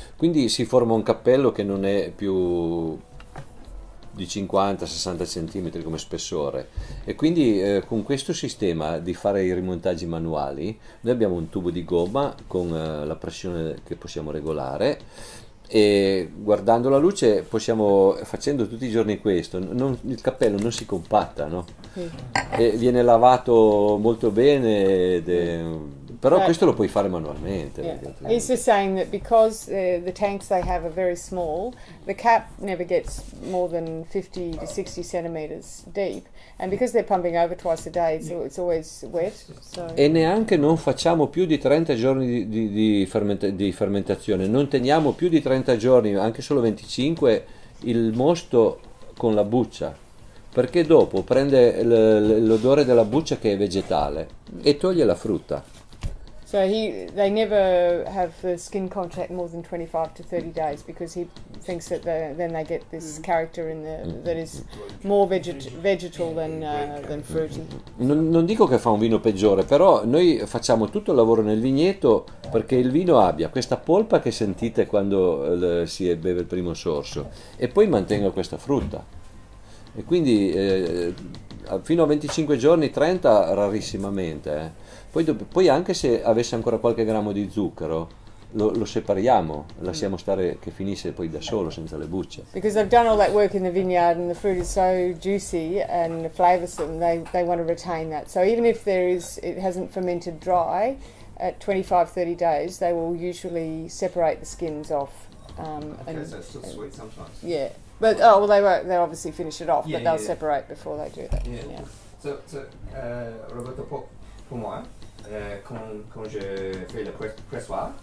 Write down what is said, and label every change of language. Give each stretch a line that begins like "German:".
Italian: Quindi si forma un cappello che non è più di 50-60 cm come spessore, e quindi con questo sistema di fare i rimontaggi manuali noi abbiamo un tubo di gomma con la pressione che possiamo regolare, e guardando la luce possiamo, facendo tutti i giorni questo, il cappello non si compatta, no? E viene lavato molto bene però questo lo puoi fare manualmente.
English: Yeah. He's just saying that because the tanks they have are very small, the cap never gets more than 50 to 60 centimeters deep, and because they're pumping over twice a day, so it's always wet. So.
Italian: E neanche non facciamo più di 30 giorni di fermentazione, non teniamo più di 30 giorni, anche solo 25, il mosto con la buccia. Perché dopo prende l'odore della buccia che è vegetale e toglie la frutta. So they never have the skin contact more than 25 to 30 days because he thinks that then they get this character in the that is more vegetal than fruity. Non dico che fa un vino peggiore, però noi facciamo tutto il lavoro nel vigneto perché il vino abbia questa polpa che sentite quando si beve il primo sorso e poi mantenga questa frutta. E quindi fino a 25 giorni, 30 rarissimamente. Poi anche se avesse ancora qualche grammo di zucchero, lo separiamo, lasciamo stare che finisce poi da solo senza le bucce.
English: Because they've done all that work in the vineyard and the fruit is so juicy and flavoursome, they want to retain that. So even if it hasn't fermented dry at 25-30 days, they will usually separate the skins off. Because they're still sweet sometimes. Yeah. But oh well, they'll obviously finish it off, yeah, but they'll separate before they do that. Yeah. Yeah.
French: So Roberto, pour moi, quand je fais le pressoir,